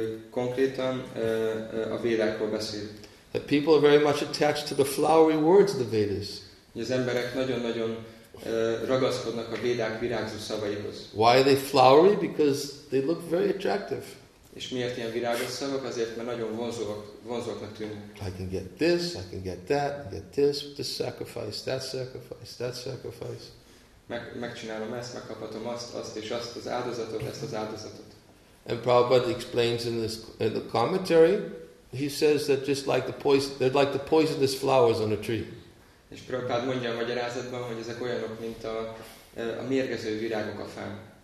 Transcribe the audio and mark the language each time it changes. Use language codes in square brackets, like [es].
[hu] Konkrétan a Védákról beszél. [en] That people are very much attached to the flowery words of the Vedas. [hu] Az emberek nagyon-nagyon ragaszkodnak a Védák virágzó szavaihoz. [en] Why are they flowery? Because they look very attractive. [hu] És miért ilyen virágos szavak? Azért, mert nagyon vonzóknak tűnnek. [en] I can get this, I can get that, get this, this sacrifice, that sacrifice, that sacrifice. [hu] Megcsinálom ezt, megkaphatom azt és azt az áldozatot, ezt az áldozatot. [en] And Prabhupada explains in the commentary, he says that just like the poison, they're like the poisonous flowers on a tree. [hu] És Prabhupád mondja a magyarázatban, hogy ezek olyanok, mint a mérgező virágok a fán.